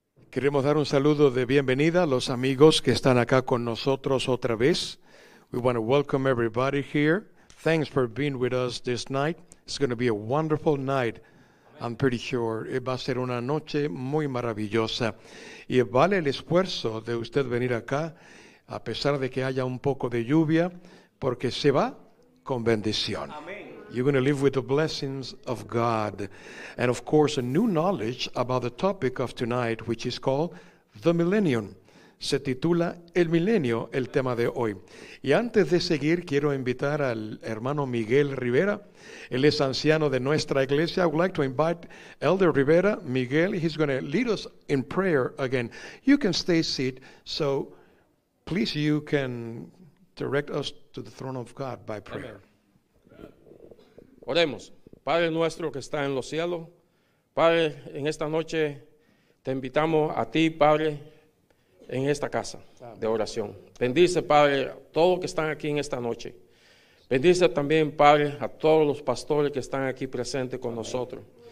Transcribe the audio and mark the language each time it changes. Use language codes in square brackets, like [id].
[es] Queremos dar un saludo de bienvenida a los amigos que están acá con nosotros otra vez. [en] We want to welcome everybody here. Thanks for being with us this night. It's going to be a wonderful night, I'm pretty sure. [es] Va a ser una noche muy maravillosa. Y vale el esfuerzo de usted venir acá, a pesar de que haya un poco de lluvia, porque se va con bendición. [en] You're going to live with the blessings of God. And of course, a new knowledge about the topic of tonight, which is called the Millennium. [es] Se titula El Milenio, el tema de hoy. Y antes de seguir, quiero invitar al hermano Miguel Rivera. Él es anciano de nuestra iglesia. [en] I would like to invite Elder Rivera, Miguel. He's going to lead us in prayer again. You can stay seated. So please, you can direct us to the throne of God by prayer. Amen. [es] Oremos, Padre nuestro que está en los cielos, Padre, en esta noche te invitamos a ti, Padre, en esta casa de oración. Bendice, Padre, a todos que están aquí en esta noche. Bendice también, Padre, a todos los pastores que están aquí presentes con nosotros.